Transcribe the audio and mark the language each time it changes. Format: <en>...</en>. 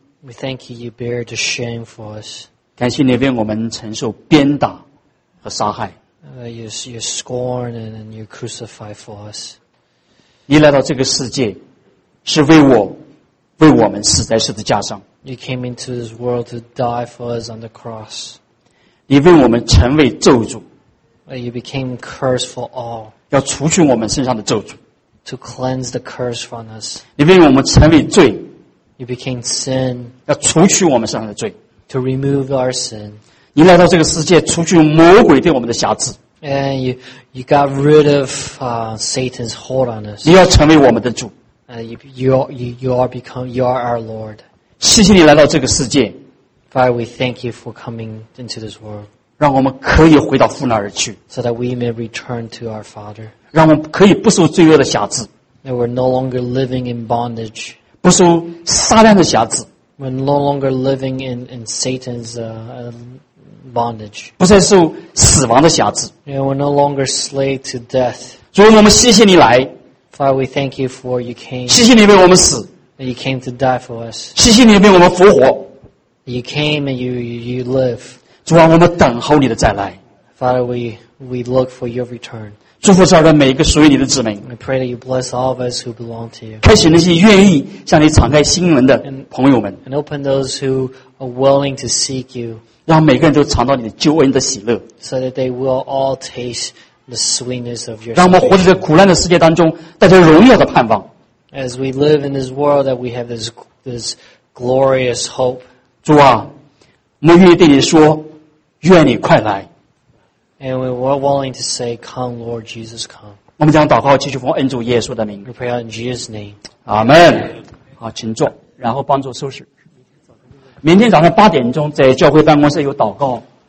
<en>We thank you, you bear the shame for us.</en> <zh>感谢你为我们承受鞭打和杀害。</zh> <en>You scorn and you crucify for us.</en> <zh>你来到这个世界，是为我。为我们死在十字架上。</zh> <en>You came into this world to die for us on the cross.</en> <zh>你为我们成为咒诅。</zh> <en>You became curse for all.</en> <zh>要除去我们身上的咒诅。</zh> <en>To cleanse the curse from us.</en> <zh>你为我们成为罪。</zh> <en>You became sin.</en> <zh>要除去我们身上的罪。</zh> <en>To remove our sin.</en> <zh>您来到这个世界，除去魔鬼对我们的辖制。</zh> <en>And you got rid of Satan's hold on us.</en> <zh>你要成为我们的主。</zh> <en>You are our Lord.</en> <zh>谢谢你来到这个世界。</zh> <en>Father, we thank you for coming into this world.</en> <zh>让我们可以回到父那儿去。</zh> <en>So that we may return to our Father.</en> <zh>让我们可以不受罪恶的辖制。</zh> <en>And we're no longer living in bondage.</en> <zh>不受撒旦的辖制。</zh> <en>We're no longer living in Satan's bondage.</en> <zh>不再受死亡的辖制。</zh> <en>And we're no longer slave to death.</en> <zh>主，我们谢谢你来。</zh> <en>Father, we thank you for you came.</en> <zh>谢谢你为我们死。</zh> <en>And you came to die for us.</en> <zh>谢谢你为我们复活。</zh> <en>You came and you live.</en> <zh>主啊，我们等候你的再来。</zh> <en>Father, we look for your return.</en> <zh>祝福这儿的每一个属于你的子民。</zh> <en>We pray that you bless all of us who belong to you.</en> <zh>开启那些愿意向你敞开心门的朋友们。</zh> <en>And open those who are willing to seek you.</en> <zh>让每个人都尝到你的救恩的喜乐。</zh> <en>So that they will all taste the sweetness of your.</en> <zh>让我们活在这苦难的世界当中，带着荣耀的盼望。</zh> <en>As we live in this world, that we have this glorious hope.</en> <zh>主啊，我们愿意对你说，愿你快来。</zh> <en>And we were willing to say, "Come, Lord Jesus, come."</en> <zh>我们将祷告继续奉恩主耶稣的名。</zh> <en>We pray in Jesus' name.</en> <zh>Amen. 好，请坐，然后帮助收拾。明天早上8点钟在教会办公室有祷告。</zh>